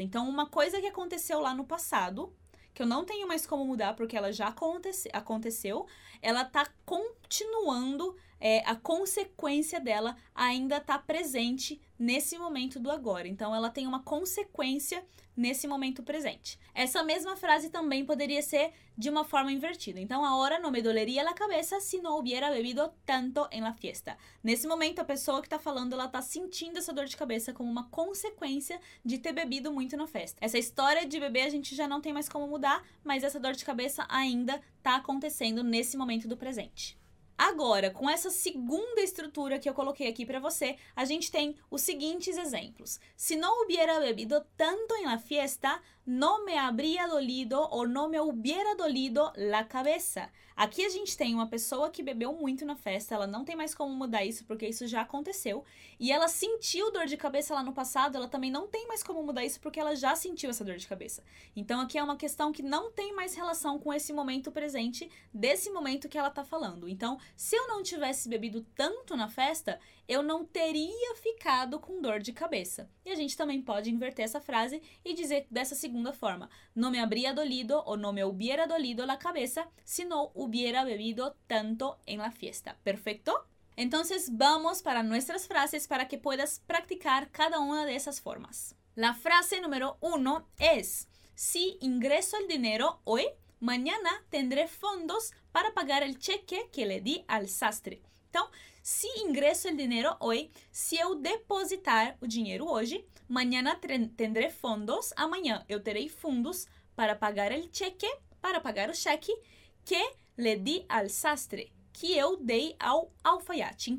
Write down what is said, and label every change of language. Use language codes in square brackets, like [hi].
[pt] Então, uma coisa que aconteceu lá no passado, que eu não tenho mais como mudar porque ela já aconteceu, ela está continuando a consequência dela ainda está presente nesse momento do agora. Então, ela tem uma consequência nesse momento presente. Essa mesma frase também poderia ser de uma forma invertida. [es] Então, ahora no me dolería la cabeza si no hubiera bebido tanto en la fiesta. [pt] Nesse momento, a pessoa que está falando, ela está sentindo essa dor de cabeça como uma consequência de ter bebido muito na festa. Essa história de beber a gente já não tem mais como mudar, mas essa dor de cabeça ainda está acontecendo nesse momento do presente. Agora, com essa segunda estrutura que eu coloquei aqui para você, a gente tem os seguintes exemplos. [es] Si no hubiera bebido tanto en la fiesta, no me habría dolido o no me hubiera dolido la cabeza. [pt] Aqui a gente tem uma pessoa que bebeu muito na festa, ela não tem mais como mudar isso porque isso já aconteceu. E ela sentiu dor de cabeça lá no passado, ela também não tem mais como mudar isso porque ela já sentiu essa dor de cabeça. Então aqui é uma questão que não tem mais relação com esse momento presente, desse momento que ela tá falando. Então, se eu não tivesse bebido tanto na festa, eu não teria ficado com dor de cabeça. E a gente também pode inverter essa frase e dizer dessa segunda forma. [es] No me habría dolido o no me hubiera dolido la cabeza si no hubiera bebido tanto en la fiesta. ¿Perfecto? Entonces vamos para nuestras frases para que puedas practicar cada una de esas formas. La frase número uno es, si ingreso el dinero hoy, mañana tendré fondos para pagar el cheque que le di al sastre. [pt] Então, se ingresso o dinheiro hoje, se eu depositar o dinheiro hoje, amanhã terei fundos, amanhã eu terei fundos para pagar o cheque, para pagar o cheque [es] que le di al sastre, [pt] que eu dei ao alfaiate.